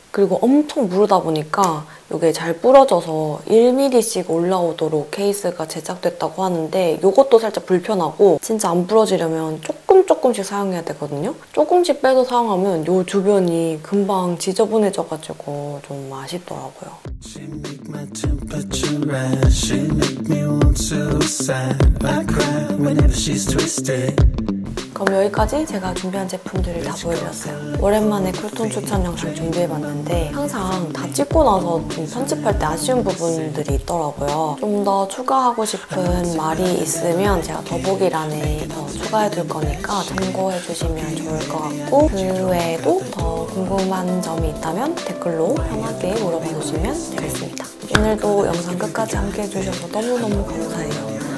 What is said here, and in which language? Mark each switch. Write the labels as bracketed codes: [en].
[ko] 그리고 엄청 무르다 보니까 이게 잘 부러져서 1mm씩 올라오도록 케이스가 제작됐다고 하는데 이것도 살짝 불편하고 진짜 안 부러지려면 조금씩 사용해야 되거든요? 조금씩 빼서 사용하면 요 주변이 금방 지저분해져가지고 좀 아쉽더라고요. [en] She make my temperature rise. She make me want suicide. I cry whenever she's twisted. [ko] 그럼 여기까지 제가 준비한 제품들을 다 보여드렸어요. 오랜만에 쿨톤 추천 영상 준비해봤는데 항상 다 찍고 나서 좀 편집할 때 아쉬운 부분들이 있더라고요. 좀더 추가하고 싶은 말이 있으면 제가 더보기란에 더 추가해둘 거니까 참고해주시면 좋을 것 같고 그 외에도 더 궁금한 점이 있다면 댓글로 편하게 물어봐주시면 되겠습니다. 오늘도 영상 끝까지 함께 해주셔서 너무너무 감사해요.